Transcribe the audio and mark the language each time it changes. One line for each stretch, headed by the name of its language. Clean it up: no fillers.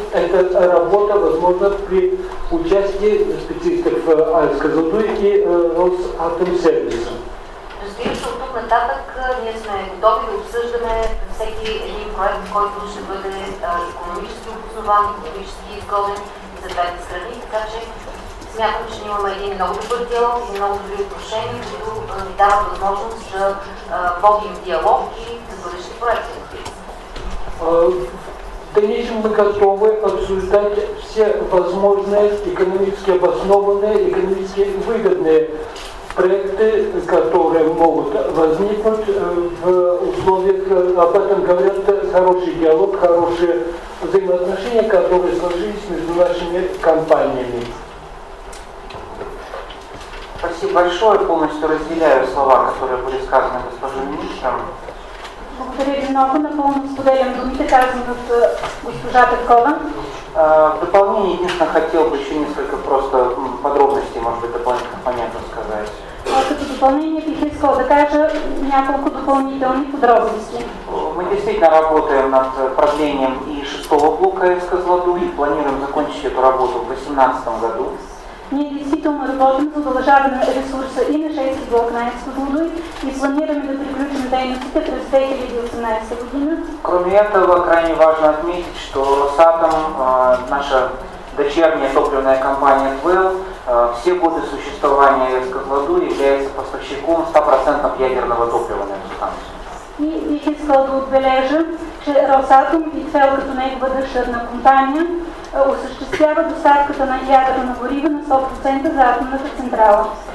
Russian: Эта работа возможна при участии специалистов АЭС Казахстан и Росатомсервиса.
Bulgarian: Нататък ние сме готови да обсъждаме всеки един проект, който ще бъде икономически обоснован, икономически изгоден за двете страни. Така че смятам, че имаме един много добър диалог и много добри отношения, които ни дават възможност да водим диалог и за бъдещи проекти.
Russian: Конечно, мы готовы обсуждать все возможные экономически обоснованные, экономически выгодные проекты, которые могут возникнуть в условиях, об этом говорят, хороший диалог, хорошие взаимоотношения, которые сложились между нашими компаниями. Спасибо большое, полностью разделяю слова, которые были сказаны госпожой министром.
Bulgarian: Благодаря ви много, напълно споделям думите, казаны от госпожа Петкова.
Russian: В дополнение, единственное, хотел бы еще несколько просто подробностей, может быть, дополнительно понятно сказать.
Bulgarian: Като допълнение бих искала да кажа няколко допълнителни подробности.
Russian: Мы действительно работаем над продлением и 6-го блока АЭС Козлодуй и планируем закончить эту работу в 2018 году.
Bulgarian: Ние действительно работим за удължаване ресурса и на 6-ти блок на АЭС Козлодуй и планираме да приключим дейностите през 2018 година.
Russian: Кроме этого, крайне важно отметить, что Росатом, наша дочерняя топливная компания ТВЭЛ, все годы существования АЭС Козлодуй является поставщиком 100% ядерного топлива на эту станцию.
Bulgarian: И искала да отбележа, че Росатом и ТВЭЛ като негова дъщерна компания осъществява доставката на ядерно гориво на 100% за атомната централа.